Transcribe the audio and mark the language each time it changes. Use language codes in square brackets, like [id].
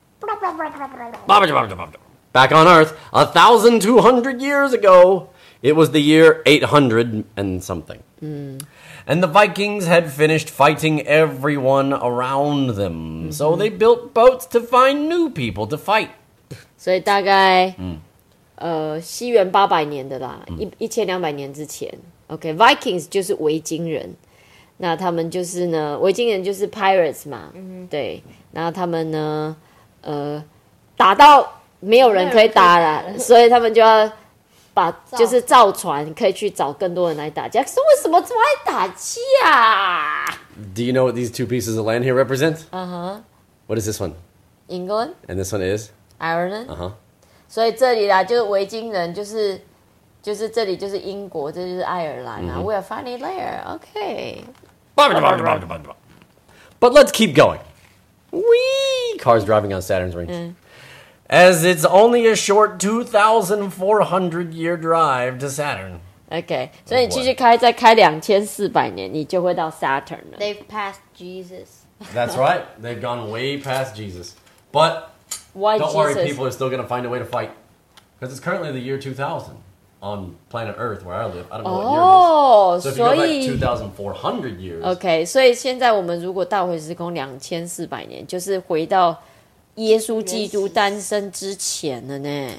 [en] Back on Earth, 1,200 years ago, it was the year 800 and something. Mm. And the Vikings had finished fighting everyone around them,、mm-hmm. so they built boats to find new people to fight. [zh] 所以大概、西元800年的啦、1200年之前。 Okay, Vikings 就是维京人，那他们就是呢，维京人就是 pirates 嘛、 mm-hmm. 对，那他们呢打到没有人可以打了，所以他们就要把就是造船可以去找更多人来打架，可是为什么这么爱打架 [en] ？Do you know what these two pieces of land here represent? Uh-huh. What is this one? England. And this one is? Ireland. Uh-huh. [zh] 所以这里啦，就是维京人，就是这里就是英国，这就是爱尔兰啊。 [en] Mm-hmm. We are finally there. Okay. But let's keep going. Whee! Car's driving on Saturn's rings.、 Mm. As it's only a short 2,400 year drive to Saturn. Okay, so you [zh] 继续开，再开2400年，你就会到 Saturn 了。 [en] They've passed Jesus. That's right. They've gone way past Jesus. But Why don't Jesus? Worry, people are still going to find a way to fight. Because it's currently the year 2000 on planet Earth where I live. I don't know what year it is. So if you go back 2,400 years. [zh] Okay, 所以现在我们如果倒回时空2400年，就是回到。耶稣基督诞生之前了呢、